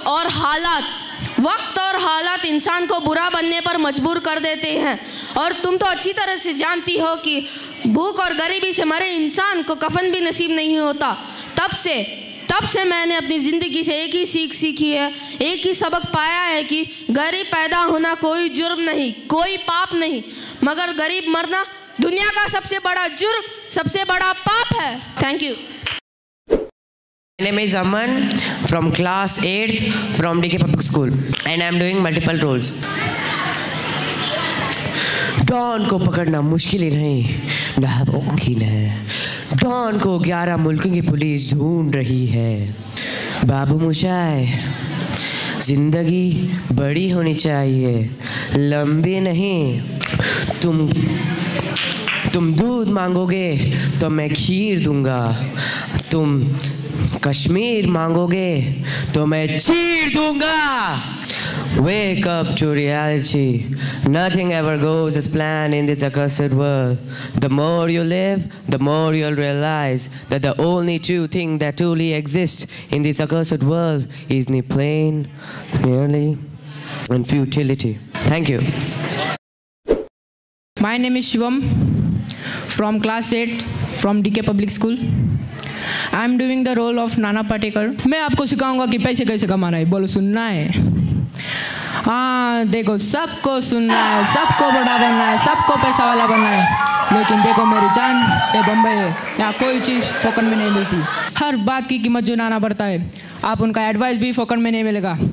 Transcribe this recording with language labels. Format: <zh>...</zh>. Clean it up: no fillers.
<hi>वक्त और हालात इंसान को बुरा बनने पर मजबूर कर देते हैं, और तुम तो अच्छी तरह से जानती हो कि भूख और गरीबी से मरे इंसान को कफन भी नसीब नहीं होता। तब से मैंने अपनी ज़िंदगी से एक ही सीख सीखी है, एक ही सबक पाया है कि गरीब पैदा होना कोई जुर्म नहीं, कोई पाप नहीं, मगर गरीब मरना दुनिया का सबसे बड़ा जुर्म, सबसे बड़ा पाप है।</hi> <en>Thank you. My name is Aman from class 8th from DK Public School and I am doing multiple roles.</en> <hi>Don ko pakadna mushkil nahi, mumkin hai. Don ko 11 mulkon ki police dhoond rahi hai. Babu Mushai, zindagi badi honi chahiye, lambi nahi. Tum doodh mangoge to main kheer dunga. Tum Kashmir मांगोगे तो मैं चीर दूंगा।</hi> <en>Wake up to reality. Nothing ever goes as planned in this accursed world. The more you live, the more you'll realize that the only true thing that truly exists in this accursed world is the plain, merely, and futility. Thank you. My name is Shivam from class 8 from DK Public School. I am doing the role of Nana Patekar.</en> <hi>मैं आपको सिखाऊंगा कि पैसे कैसे कमाना है, बोलो सुनना है। हाँ देखो, सबको सुनना है, सबको बड़ा बनना है, सबको पैसा वाला बनना है, लेकिन देखो मेरी जान, ये बम्बई है, यहाँ कोई चीज़ फोकन में नहीं मिलती। हर बात की कीमत जो नाना बढ़ता है, आप उनका एडवाइस भी फोकन में नहीं मिलेगा।</hi>